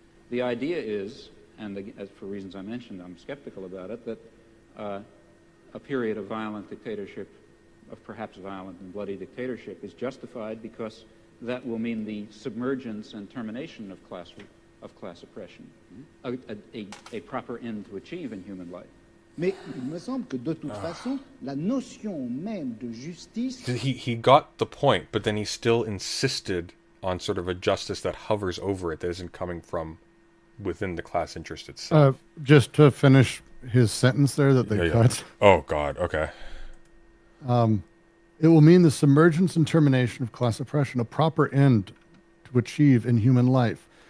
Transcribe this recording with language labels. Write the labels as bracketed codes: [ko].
[en] The idea is, and as for reasons I mentioned, I'm skeptical about it, that a period of violent dictatorship, of perhaps violent and bloody dictatorship, is justified because that will mean the submergence and termination of class oppression, a proper end to achieve in human life. [fr] Mais il me semble que de toute façon, la notion même de justice... [en] He got the point, but then he still insisted on sort of a justice that hovers over it, that isn't coming from within the class interest itself. Just to finish his sentence there that they cut. Oh, God. Okay. It will mean the submergence and termination of class oppression, a proper end to achieve in human life.